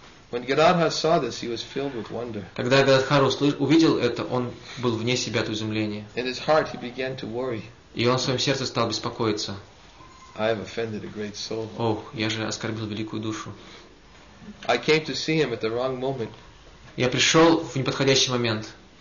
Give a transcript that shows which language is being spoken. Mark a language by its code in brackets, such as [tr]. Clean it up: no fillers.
[en] When Gadadhar saw this, he was filled with wonder. [ru] Когда Гададхар увидел это, он был вне себя от изумления. [en] In his heart, he began to worry. [ru] И он в своем сердце стал беспокоиться. [en] I have offended a great soul. [ru] Ох, я же оскорбил великую душу. [en] I came to see him at the wrong moment. [ru] Я пришел в неподходящий момент.